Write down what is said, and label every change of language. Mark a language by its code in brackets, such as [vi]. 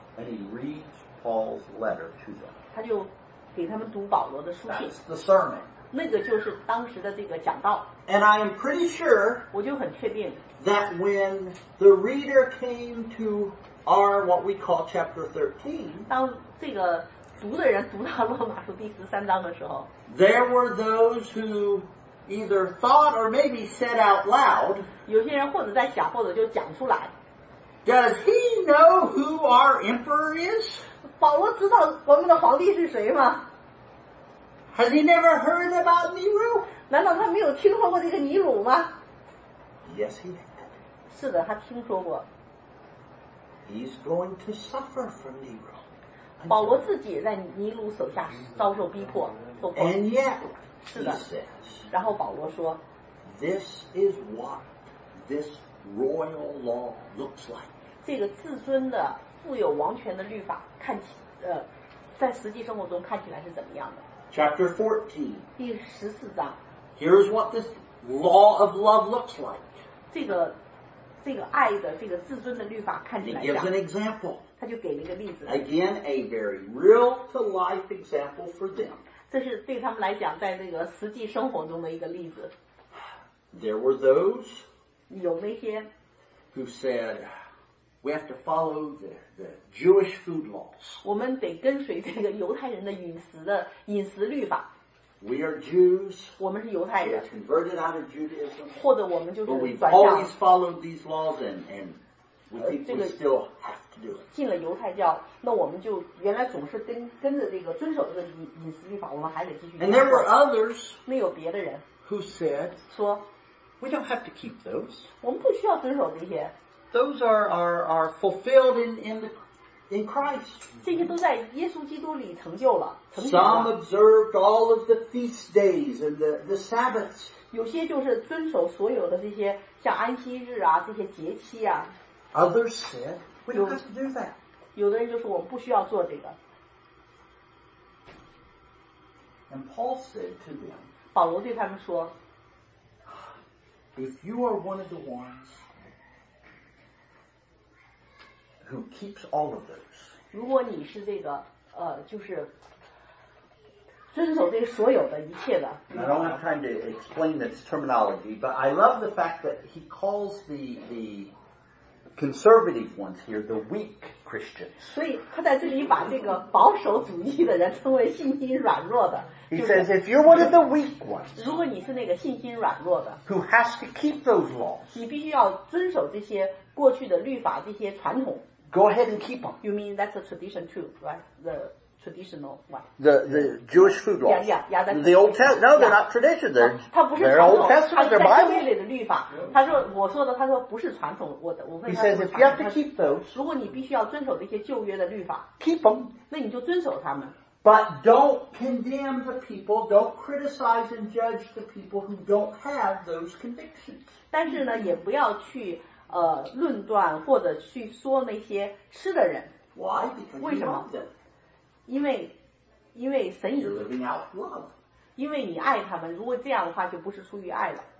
[en] And he reads Paul's letter to them. [zh] 他就给他们读保罗的书信。 [en] That's the sermon. [zh] 那个就是当时的这个讲道。 [en] And I am pretty sure. [zh] 我就很确定。 [en] That when the reader came to our what we call chapter 13. [zh] 当这个读的人读到罗马书第十三章的时候。 [en] There were those who either thought or maybe said out loud. [zh] 有些人或者在想，或者就讲出来。 [en] Does he know who our emperor is? [zh] 保罗知道我们的皇帝是谁吗？ [en] Has he never heard about Nero? [zh] 难道他没有听说过这个尼鲁吗？ [en] Yes, he had. [zh] 是的，他听说过。 [en] He's going to suffer from Nero. [zh] 保罗自己在尼鲁手下遭受逼迫。 [en] And yet, [zh] 是的。然后保罗说， [en] This is what this royal law looks like. [zh] 这个自尊的富有王权的律法看起在实际生活中看起来是怎么样的？ [en] Chapter 14. [zh] 第十四章。 [en] Here's what this law of love looks like. [zh] 这个爱的这个自尊的律法看起来像。 [en] He gives an example. [zh] 他就给了一个例子。 [en] Again, a very real to life example for them. [zh] 这是对他们来讲在这个实际生活中的一个例子。 [en] There were those [zh] 有那些 [en] who said we have to follow the Jewish food laws. [zh] 我们得跟随这个犹太人的饮食律法。 [en] We are Jews. [zh] 我们是犹太人。 [en] We converted out of Judaism. [zh] 或者我们就是转向。 [en] But we've always followed these laws and we think we still have to do it. [zh] 进了犹太教，那我们就原来总是跟着这个遵守这个饮食律法，我们还得继续。 [en] And there were others. [zh] 那有别的人 [en] who said [zh] 说。 [en] We don't have to keep those. [zh] 我们不需要遵守这些。 [en] Those are fulfilled in Christ. [zh] 这些都在耶稣基督里成就了。 [en] Some observed all of the feast days and the Sabbaths. [zh] 有些就是遵守所有的这些像安息日啊这些节期啊。 [en] Others said, we don't have to do that. [zh] 有的人就说我们不需要做这个。 [en] And Paul said to them, [zh] 保罗对他们说， [en] If you are one of the ones who keeps all of those, [zh] 如果你是这个就是遵守这所有的一切的。 [en] I don't have time to explain this terminology, but I love the fact that he calls the conservative ones here the weak Christians. [zh] 所以他在这里把这个保守主义的人称为信心软弱的。 [en] He says, if you're one of the weak ones, [zh] 如果你是那个信心软弱的， [en] who has to keep those laws, [zh] 你必须要遵守这些过去的律法，这些传统。 [en] Go ahead and keep them. You mean that's a tradition too, right? The traditional one. The Jewish food laws. Yeah, the Old Testament. No, they're not tradition. They're Old Testament. They're Bible. [zh] 他在旧约的律法。他说，我说的，他说不是传统。我问他。 [en] He says, if you have to keep those, [zh] 如果你必须要遵守这些旧约的律法， [en] keep them. [zh] 那你就遵守他们。 [en] But don't condemn the people, don't criticize and judge the people who don't have those convictions. [zh] 但是呢，也不要去论断或者去说那些吃的人。 [en] Why? [zh] 为什么？因为神已经。因为你爱他们，如果这样的话，就不是出于爱了。